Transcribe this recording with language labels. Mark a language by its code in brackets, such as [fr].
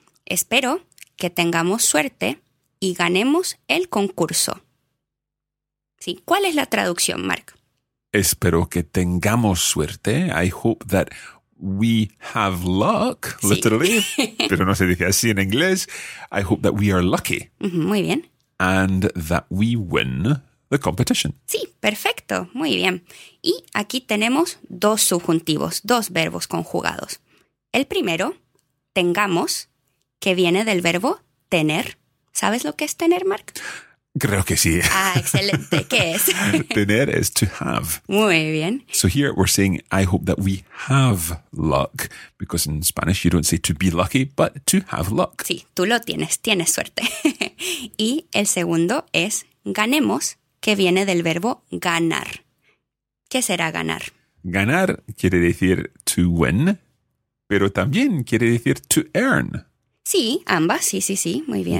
[es] Espero que tengamos suerte y ganemos el concurso. Sí, ¿cuál es la traducción, Mark? Espero que tengamos suerte. [en] I hope that we have luck, [es] sí. [en] Literally. [es] Pero no se dice así en inglés. [en] I hope that we are lucky. [es] Muy bien. [en] And that we win the competition. [es] Sí, perfecto. Muy bien. Y aquí tenemos dos subjuntivos, dos verbos conjugados. El primero, tengamos, que viene del verbo tener. ¿Sabes lo que es tener, Mark? Creo que sí. Ah, excelente. ¿Qué es? [en] Tener is to have. [es] Muy bien. [en] So here we're saying, I hope that we have luck. Because in Spanish you don't say to be lucky, but to have luck. [es] Sí, tú lo tienes. Tienes suerte. Y el segundo es ganemos, que viene del verbo ganar. ¿Qué será ganar? Ganar quiere decir [en] to win, [es] pero también quiere decir [en] to earn. [es] Sí, ambas, sí, sí, sí, muy bien.